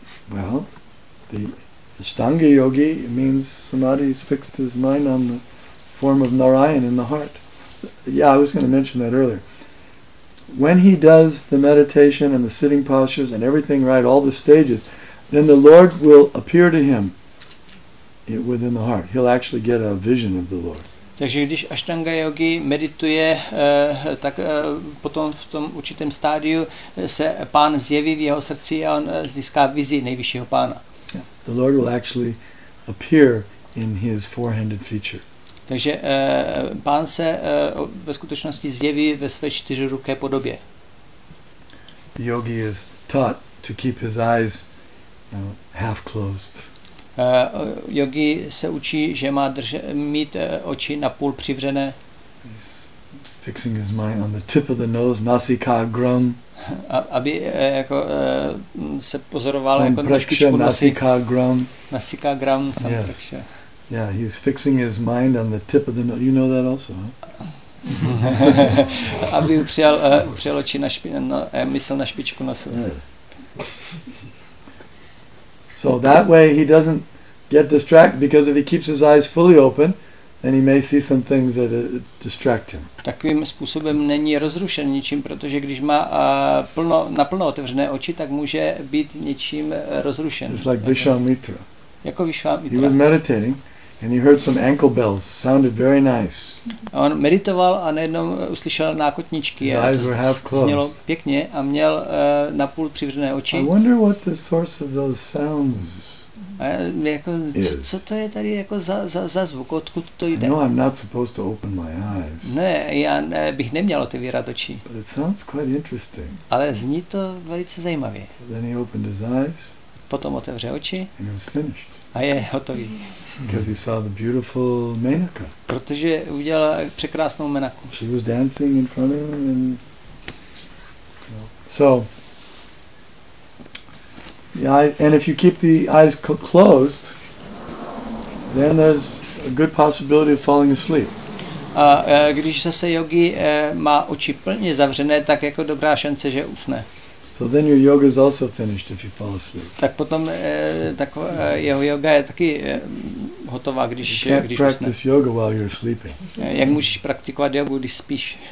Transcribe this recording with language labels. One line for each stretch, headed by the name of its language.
English: Well, the Ashtanga yogi means samadhi has fixed his mind on the form of Narayan in the heart. Yeah, I was going to mention that earlier. When he does the meditation and the sitting postures and everything right, all the stages, then the Lord will appear to him within the heart. He'll actually get a vision of the Lord.
Czech: Takže když Ashtanga yogi medituje, tak potom v tom určitém stádiu se pán zjeví v jeho srdci a on získá vizi nejvyššího pána.
English: The Lord will actually appear in his four-handed feature.
Czech: Takže pán se ve skutečnosti zjeví ve své čtyřruké podobě.
English: The yogi is taught to keep his eyes, you know, half closed.
Czech: Yogi se učí, že má mít oči napůl přivřené.
English: He's fixing his mind on the tip of the nose, nasika gram.
Czech: Aby jako se pozoroval jako na špičku nasika gram. Nasika gram.
English: Yes. Yeah, he's fixing his mind on the tip of the nose. You know that also, huh?
Czech: Aby přijal oči na mysl na špičku nosu.
English: So that way he doesn't get distracted, because if he keeps his eyes fully open, then he may see some things that distract him.
Czech: Takovým způsobem není rozrušen ničím, protože když má naplno otevřené oči, tak může být něčím rozrušen.
English: It's like Vishwamitra.
Czech: Jako Vishwamitra.
English: He was meditating and he heard some ankle bells, sounded very nice.
Czech: On meditoval a najednou uslyšel nákotničky.
English: His eyes were half closed.
Czech: Znělo pěkně a měl napůl přivřené oči.
English: I wonder what the source of those sounds
Czech: jako,
English: is.
Czech: Co to je tady jako za zvuk, odkud to jde?
English: I know I'm not supposed to open my eyes.
Czech: Ne, já bych neměl otevírat oči.
English: But it sounds quite interesting.
Czech: Ale zní to velice zajímavě.
English: So then he opened his eyes.
Czech: Potom otevře oči.
English: And he was finished.
Czech: A je hotový.
English: Because he saw the beautiful Menaka.
Czech: Protože uviděl překrásnou Menaku.
English: She was dancing in front of him, and so yeah. And if you keep the eyes closed, then there's a good possibility of falling asleep.
Czech: A když zase yogi má oči plně zavřené, tak jako dobrá šance, že usne.
English: So then your yoga is also finished if you fall asleep.
Czech: Tak potom jeho yoga je taky hotová, když usne.
English: You can't practice yoga while you're sleeping.
Czech: Jak můžeš praktikovat jogu, když spíš?